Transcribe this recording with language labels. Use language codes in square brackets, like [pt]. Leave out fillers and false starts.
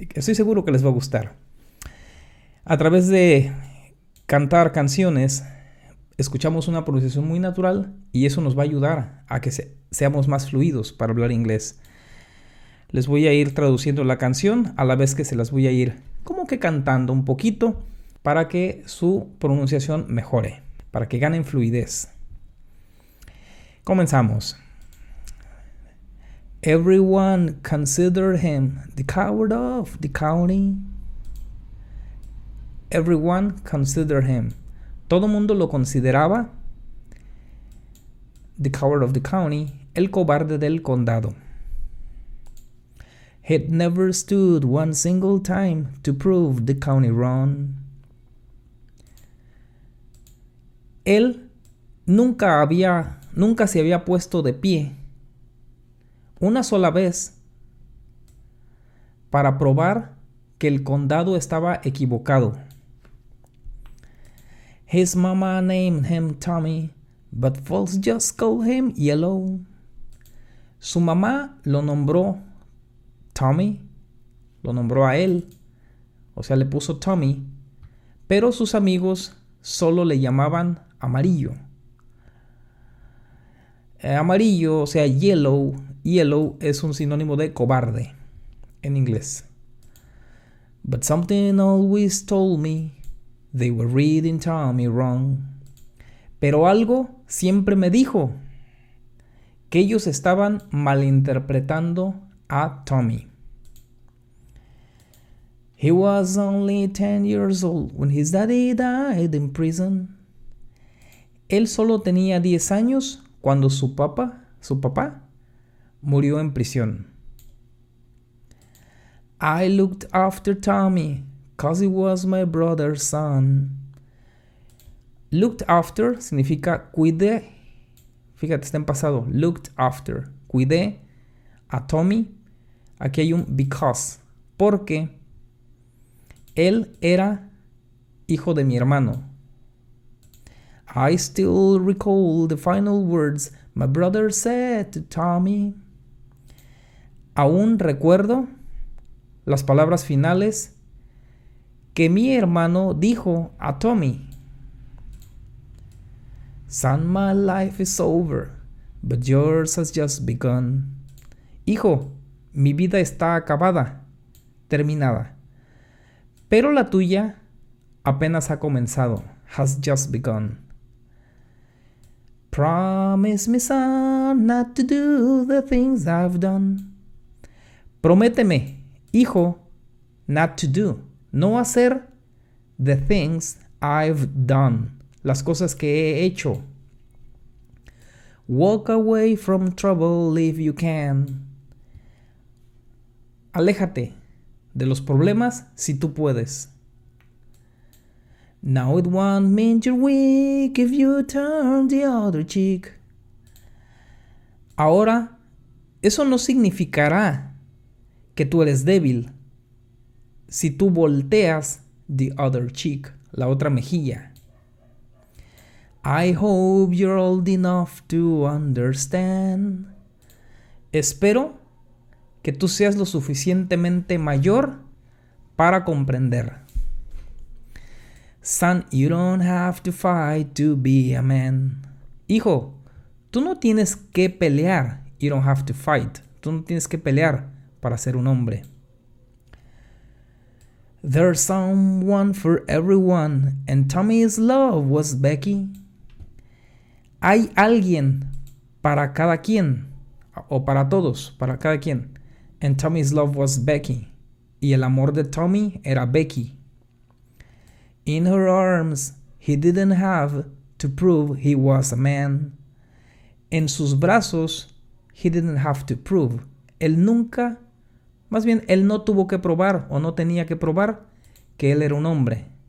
[es] Estoy seguro que les va a gustar. A través de cantar canciones, escuchamos una pronunciación muy natural y eso nos va a ayudar a que seamos más fluidos para hablar inglés. Les voy a ir traduciendo la canción a la vez que se las voy a ir como que cantando un poquito para que su pronunciación mejore, para que ganen fluidez. Comenzamos. [en] Everyone considered him the coward of the county. Everyone considered him. [es] Todo mundo lo consideraba [en] the coward of the county, [es] el cobarde del condado. [en] He never stood one single time to prove the county wrong. [es] Él nunca se había puesto de pie una sola vez para probar que el condado estaba equivocado. [en] His mama named him Tommy, but folks just call him Yellow. [es] Su mamá lo nombró Tommy, lo nombró a él, o sea, le puso Tommy, pero sus amigos solo le llamaban Amarillo. Amarillo, o sea, Yellow. Yellow es un sinónimo de cobarde en inglés. [en] But something always told me they were reading Tommy wrong. [es] Pero algo siempre me dijo que ellos estaban malinterpretando a Tommy. [en] He was only 10 years old when his daddy died in prison. [es] Él solo tenía 10 años cuando su papá murió en prisión. [en] I looked after Tommy, 'cause he was my brother's son. [es] Looked after significa cuidé. Fíjate, está en pasado. Looked after. Cuidé a Tommy. Aquí hay un because. Porque él era hijo de mi hermano. [en] I still recall the final words my brother said to Tommy. [es] Aún recuerdo las palabras finales que mi hermano dijo a Tommy. [en] Son, my life is over, but yours has just begun. [es] Hijo, mi vida está acabada, terminada. Pero la tuya apenas ha comenzado, [en] has just begun. Promise me, son, not to do the things I've done. [es] Prométeme, hijo, [en] not to do, [es] no hacer [en] the things I've done, [es] las cosas que he hecho. [en] Walk away from trouble if you can. [es] Aléjate de los problemas si tú puedes. [en] Now it won't mean you're weak if you turn the other cheek. [es] Ahora, eso no significará que tú eres débil si tú volteas [en] the other cheek, [es] la otra mejilla. [en] I hope you're old enough to understand. [es] Espero que tú seas lo suficientemente mayor para comprender. [en] Son, you don't have to fight to be a man. [es] Hijo, tú no tienes que pelear. [en] You don't have to fight. [es] Tú no tienes que pelear para ser un hombre. [en] There's someone for everyone, and Tommy's love was Becky. [es] Hay alguien para cada quien, o para todos, para cada quien. [en] And Tommy's love was Becky. [es] Y el amor de Tommy era Becky. [en] In her arms, he didn't have to prove he was a man. [es] En sus brazos, [en] he didn't have to prove. [es] Él nunca Más bien, él no tuvo que probar o no tenía que probar que él era un hombre.